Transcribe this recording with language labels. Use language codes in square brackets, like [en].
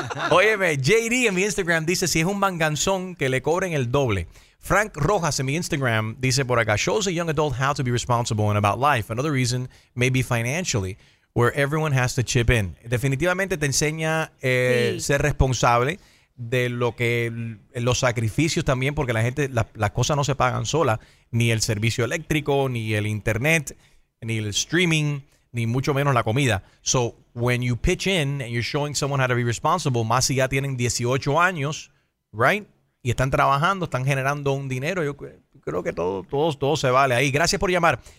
[es] Óyeme, JD en mi Instagram dice, si es un manganzón, que le cobren el doble. [en] Frank Rojas [es] en mi Instagram dice por acá, [en] shows a young adult how to be responsible and about life. Another reason, maybe financially, where everyone has to chip in. [es] Definitivamente te enseña sí, ser responsable de lo que los sacrificios también, porque la gente, las cosas no se pagan solas, ni el servicio eléctrico, ni el internet, ni el streaming, ni mucho menos la comida. [en] So when you pitch in and you're showing someone how to be responsible, [es] más si ya tienen 18 años, right, y están trabajando, están generando un dinero, yo creo que todo se vale ahí. Gracias por llamar.